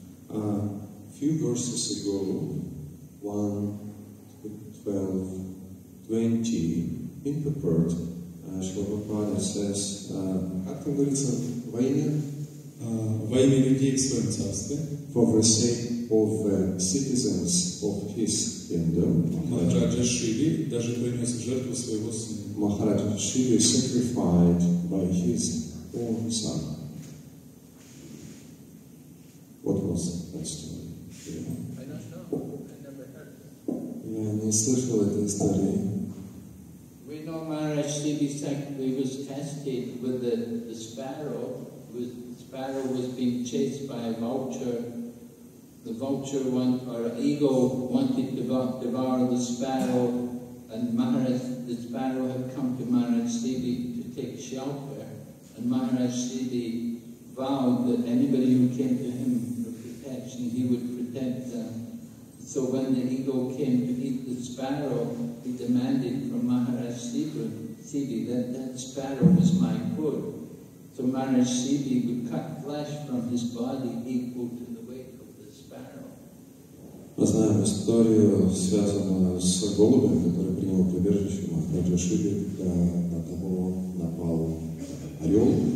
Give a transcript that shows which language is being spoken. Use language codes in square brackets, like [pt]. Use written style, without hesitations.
[en] A few verses ago, 1.12.20, in the purport, Шрила Прабхупада says, [ru] как там говорится, во имя людей в своем царстве, [en] for the sake of the citizens of his kingdom, [ru] Махараджа Шиби даже принес жертву своего сына. [en] Махараджа Шиби sacrificed by his own son. What was that story? I don't know. I never heard. [ru] Я не слышал этой истории. [en] We You know, Maharaj Sivi Sakti was cascaded with the sparrow. The sparrow was being chased by a vulture. The vulture want, or eagle wanted to devour the sparrow, and Maharaj, the sparrow had come to Maharaj Sivi to take shelter, and Maharaj Sivi vowed that anybody who came to him for protection, he would protect them. So when the eagle came to eat the sparrow, he demanded from Maharaj Sivi that that sparrow was my food. So Maharaj Sivi would cut flesh from his body equal to the weight of the sparrow. [ru] Мы знаем историю, связанную с голубем, который принял прибежище Махараджа Шиви, когда на того напал орел.